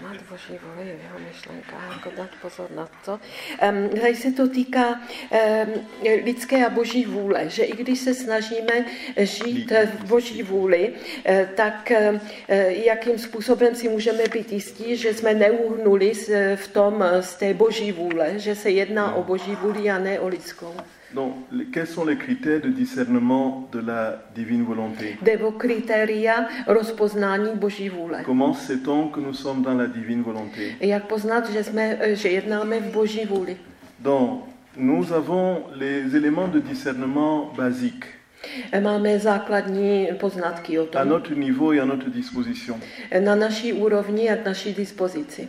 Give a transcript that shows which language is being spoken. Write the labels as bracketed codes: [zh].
[cs] Boží voli, jeho myšlenka, jako dát pozor na to. Tady se to týká lidské a Boží vůle, že i když se snažíme žít v Boží vůli, tak jakým způsobem si můžeme být jistí, že jsme neuhnuli v tom z té Boží vůle, že se jedná o Boží vůli a ne o lidskou. [fr] Donc, quels sont les critères de discernement de la divine volonté? [cs] Devo kritéria rozpoznání Boží vůle. [fr] Comment sait-on que nous sommes dans la divine volonté? [cs] Jak poznat, že jsme, že jednáme v Boží vůli? [fr] Donc, nous avons les éléments de discernement basiques. [cs] Máme základní poznatky o tom. [fr] À notre niveau et à notre disposition. [cs] Na naší úrovni a naší dispozici.